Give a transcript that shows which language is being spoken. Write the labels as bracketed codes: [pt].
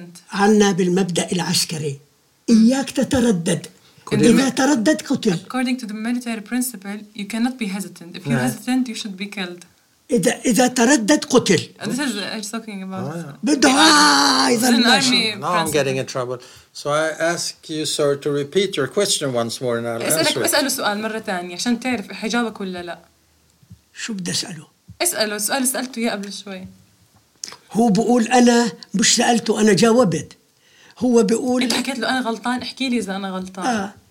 [ar] عنا بالمبدأ العسكري إياك تتردد إذا تردد قتل. [en] According to the military principle, you cannot be hesitant. If you're hesitant, you should be killed. [ar] إذا تردد قتل. [en] This is what I'm talking about. [ar] بدها إذا المشكلة. [en] Now I'm getting in trouble. So I ask you, sir, to repeat your question once more and I'll answer it. [ar] اسأله سؤال مرة ثانية عشان تعرف حجابك ولا لا. شو بدي أسأله؟ اسأله سؤال سألته يا قبل شوي. هو بقول أنا مش سألته أنا جاوبت. هو بقول أنت حكيت له أنا غلطان احكي لي إذا أنا غلطان.